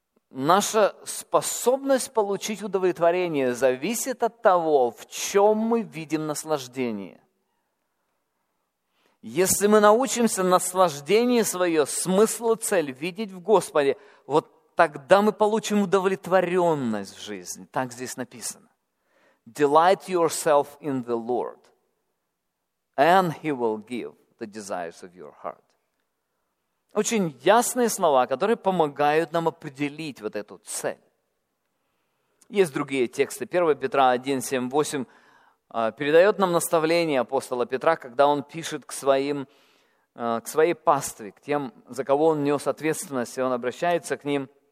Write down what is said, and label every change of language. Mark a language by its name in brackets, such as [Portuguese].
[Russian] Наша способность получить удовлетворение зависит от того, в чем мы видим наслаждение. Если мы научимся наслаждение свое, смысл и цель видеть в Господе, вот тогда мы получим удовлетворенность в жизни. Так здесь написано. [English] Delight yourself in the Lord, and He will give the desires of your heart. [Russian] Очень ясные слова, которые помогают нам определить вот эту цель. Есть другие тексты. 1 Петра 1, 7, 8 передает нам наставление апостола Петра, когда он пишет к своей пастве, к тем, за кого он нес ответственность, и он обращается к ним,